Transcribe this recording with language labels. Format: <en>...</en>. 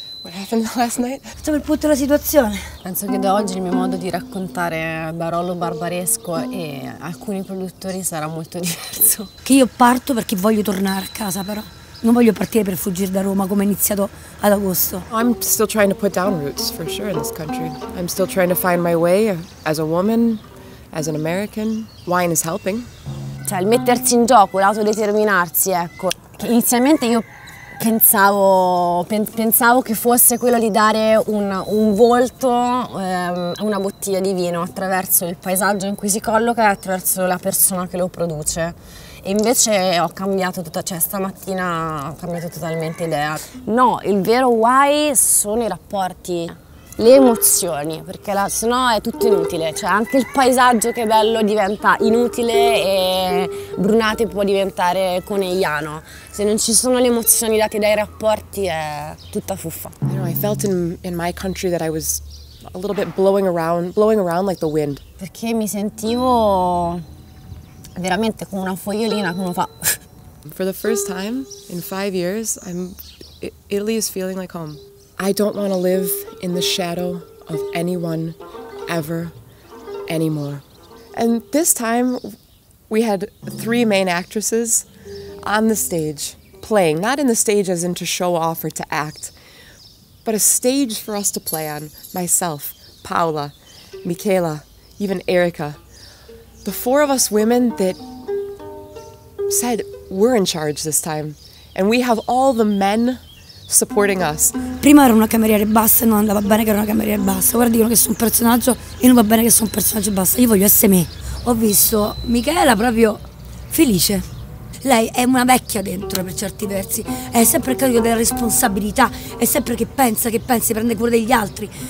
<en>happened last night?</en> <it>Facciamo il punto della situazione. Penso che da oggi il mio modo di raccontare Barolo Barbaresco e alcuni produttori sarà molto diverso. Che io parto perché voglio tornare a casa, però. Non voglio partire per fuggire da Roma come è iniziato ad agosto.</it> <en>I'm still trying to put down roots, for sure, in this country. I'm still trying to find my way as a woman, as an American. Wine is helping.</en> <it>Cioè, il mettersi in gioco, l'autodeterminarsi, ecco. Che inizialmente io pensavo che fosse quello di dare un volto a una bottiglia di vino attraverso il paesaggio in cui si colloca e attraverso la persona che lo produce. E invece ho cambiato tutta, cioè stamattina ho cambiato totalmente idea. No, il vero why sono i rapporti, le emozioni, perché sennò è tutto inutile. Cioè anche il paesaggio che è bello diventa inutile e Brunate può diventare conegliano. Se non ci sono le emozioni date dai rapporti è tutta fuffa.</it> <en>You know, I felt in my country that I was a little bit blowing around like the wind.</en> <it>Perché mi sentivo veramente come una fogliolina che uno fa.</it> <en>For the first time in 5 years, Italy is feeling like home. I don't want to live in the shadow of anyone ever anymore. And this time we had 3 main actresses on the stage playing, not in the stage as in to show off or to act, but a stage for us to play on. Myself, Paola, Michaela, even Erica. The 4 of us women that said we're in charge this time and we have all the men supporting us.</en> <it>Prima ero una cameriere bassa e non andava bene che ero una cameriere bassa. Ora dicono che sono un personaggio e non va bene che sono un personaggio bassa. Io voglio essere me. Ho visto Michela proprio felice. Lei è una vecchia dentro per certi versi. È sempre carico della responsabilità. È sempre che pensa, prende cura degli altri.</it>